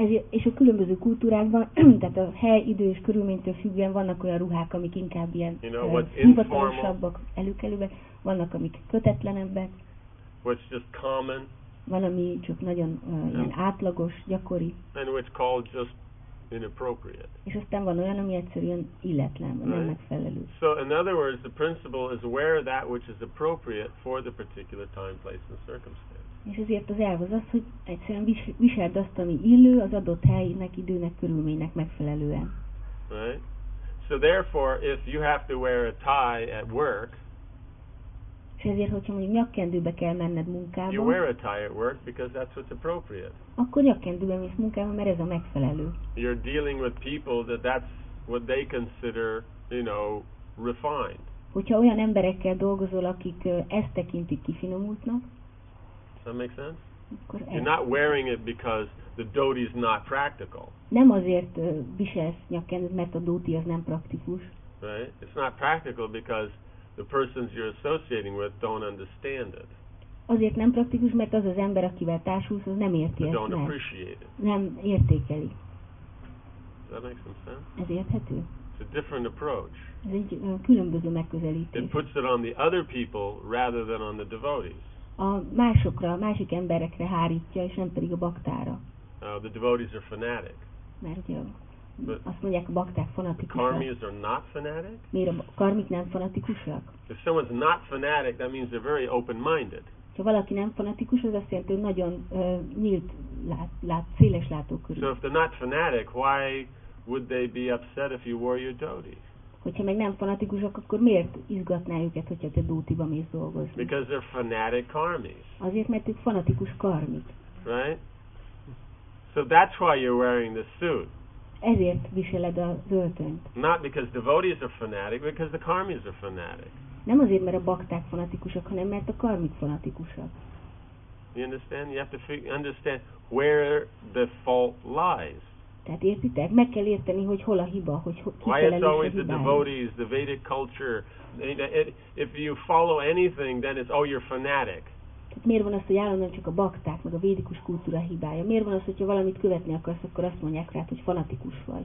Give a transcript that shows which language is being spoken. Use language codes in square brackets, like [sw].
[hu] És a különböző kultúrákban, tehát a hely, idő és körülménytől függően vannak olyan ruhák, amik inkább ilyen hivatalosabbak, előkelőbbek, vannak, amik kötetlenebbek. [en] What's just common. [hu] Van, ami csak nagyon ilyen átlagos, gyakori. [en] And what's called just inappropriate. [hu] És aztán van olyan, ami egyszerűen illetlen, nem [en] right. [hu] megfelelő. [en] So in other words, the principle is wear that which is appropriate for the particular time, place and circumstance. [hu] És ezért az elv az az, hogy egyszerűen viseld azt, ami illő az adott helynek, időnek, körülménynek megfelelően. [en] Right. So therefore, if you have to wear a tie at work, [hu] és ezért, hogyha mondjuk nyakkendőbe kell menned munkába, [en] you wear a tie at work because that's what's appropriate. [hu] Akkor nyakkendőbe mész munkába, mert ez a megfelelő. [en] You're dealing with people that's what they consider, you know, refined. [hu] Hogyha olyan emberekkel dolgozol, akik ezt tekintik kifinomultnak, [en] that makes sense? You're not wearing it because the dhoti is not practical. [hu] Nem azért viselsz nyakkendőt, mert a dhoti az nem praktikus. [en] Right? It's not practical because the persons you're associating with don't understand it. [hu] Azért nem praktikus, mert az az ember, akivel társulsz, az nem érti ezt. [en] Don't appreciate it. [hu] Nem értékeli. [en] Does that make some sense? [hu] Ez érthető. [en] It's a different approach. [hu] Ez egy különböző megközelítés. [en] It puts it on the other people rather than on the devotees. [hu] A másokra, a másik emberekre hárítja, és nem pedig a baktára. [en] The devotees are fanatic. [hu] Mert azt mondják, a bakták fanatikusak. [en] The karmis are not fanatic. [hu] Miért a karmik nem fanatikusak? [en] If someone's not fanatic, that means they're very open-minded. [hu] Ha valaki nem fanatikus, az azt jelenti, hogy nagyon nyílt, széles látókörű. [en] So if they're not fanatic, why would they be upset if you wore your dhoti? [hu] Hogyha meg nem fanatikusok, akkor miért izgatná őket, hogyha te dhotiba mész dolgozni? [en] Because they're fanatic karmis. [hu] Azért, mert ők fanatikus karmik. [en] Right? So that's why you're wearing the suit. [hu] Ezért viseled az öltönyt. [en] Not because devotees are fanatic, because the karmis are fanatic. [hu] Nem azért, mert a bakták fanatikusok, hanem mert a karmik fanatikusak. [en] You understand? You have to understand where the fault lies. [hu] Tehát értitek? Meg kell érteni, hogy hol a hiba, hogy ki [en] Why it's [hu] felelős a [en] always the [hu] hibáért. [en] devotees, the Vedic culture. If you follow anything, then it's, oh, you're fanatic. [hu] Tehát miért van az, hogy állandóan csak a bakták, meg a védikus kultúra hibája? Miért van az, hogyha valamit követni akarsz, akkor azt mondják rá, hogy fanatikus vagy?